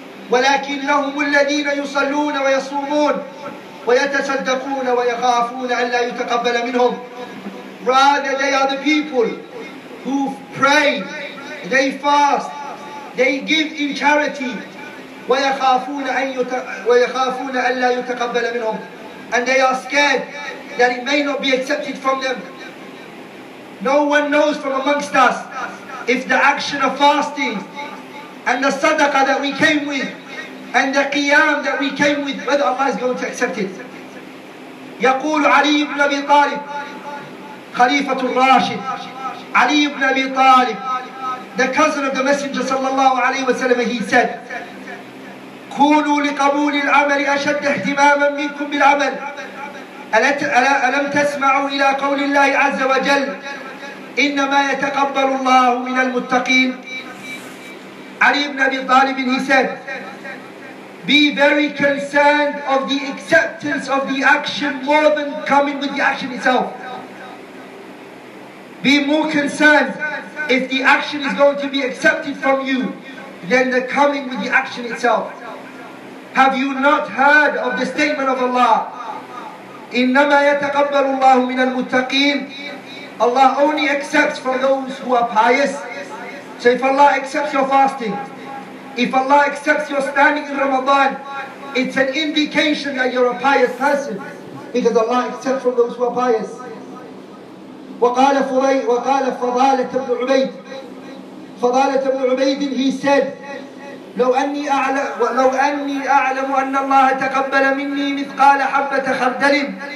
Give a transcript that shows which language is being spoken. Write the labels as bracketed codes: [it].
[ar] ولكن لهم الذين يصلون ويصومون ويتصدقون ويخافون ألا يتقبل منهم. [en] Rather, they are the people who pray, they fast, they give in charity. [ar] ويخافون ألا يتقبل منهم. [en] And they are scared that it may not be accepted from them. No one knows from amongst us if the action of fasting and the sadaqah that we came with and the qiyam that we came with, whether Allah is going to accept it. [ar] يقول علي بن أبي طالب خليفة الراشد. [en] Ali ibn Abi Talib, the cousin of the Messenger sallallahu alayhi wa sallam, he said, [ar] كونوا لقبول العمل أشد اهتماما منكم بالعمل. ألم تسمعوا إلى قول الله عز وجل إنما يتقبل الله من المتقين. [en] Ali ibn Abi Talib, he said, be very concerned of the acceptance of the action more than coming with the action itself. Be more concerned if the action is going to be accepted from you than the coming with the action itself. Have you not heard of the statement of Allah? [ar] إِنَّمَا يَتَقَبَّلُ اللَّهُ مِنَ الْمُتَّقِينَ. [en] Allah only accepts from those who are pious. So if Allah accepts your fasting, if Allah accepts your standing in Ramadan, it's an indication that you're a pious person, because Allah accepts from those who are pious. [ar] وقال فريد وقال فضالة بن عبيد فضالة بن عبيد, [en] he said, [ar] لو أني أعلم أن الله تقبل مني مثقال حبة خردل.